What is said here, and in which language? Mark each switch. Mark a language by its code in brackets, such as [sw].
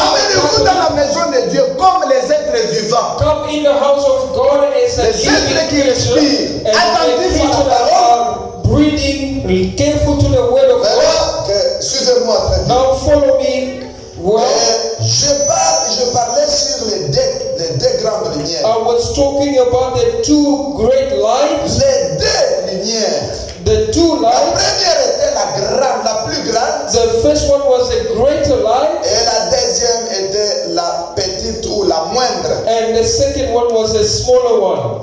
[fr] Amenez-vous dans la maison de Dieu comme les êtres vivants. [en] Come in the house of God as a [fr] les êtres qui respirent. Attentifs à la parole. [en] Breathing. Be careful to the word of God. [fr] Suivez-moi très bien. [en] Now follow me. Well, [fr] je parlais sur les deux grandes lumières. [en] I was talking about the two great lights. [fr] Les deux lumières. [en] The two lights. [fr] La première était la plus grande. [en] The first one was the greater light. [fr] Et la deuxième était la petite ou la moindre. [en] And the second one was the smaller one.